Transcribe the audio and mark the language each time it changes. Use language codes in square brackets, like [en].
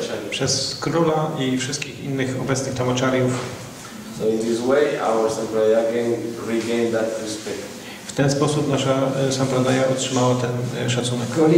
[pl] Przez króla i wszystkich innych obecnych tamachariów. [en] So in this way, our Sampradaya regained that respect. [pl] W ten sposób nasza Sampradaya otrzymała ten szacunek.